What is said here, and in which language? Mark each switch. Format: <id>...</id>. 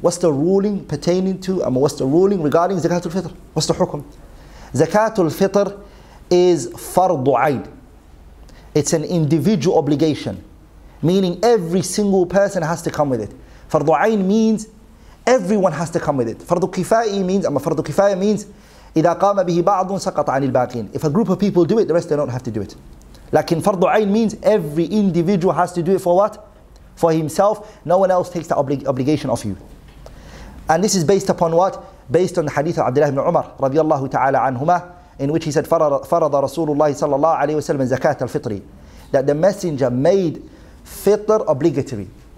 <en>What's the ruling pertaining to, what's the ruling regarding زكاة الفطر? What's the حكم?</en> <ar>زكاة الفطر is فرض عين.</ar> <en>It's an individual obligation, meaning every single person has to come with it. فرض عين means everyone has to come with it.</en> <ar>فرض كفاية means, فرض كفاية means إذا قام به بعض سقط عن الباقين.</ar> <en>If a group of people do it, the rest they don't have to do it. لكن فرض عين means every individual has to do it for what? For himself, no one else takes the obligation of you. And this is based upon what? Based on the hadith of Abdullah ibn Umar radiallahu ta'ala anhuma, in which he said,</en> <ar>فَرَضَ رَسُولُ اللَّهِ صَلَّى اللَّهُ عَلَيْهِ وَسَلَّمَ زَكَاةَ الْفِطْرِ</ar> <en>That the messenger made fitr obligatory.</en>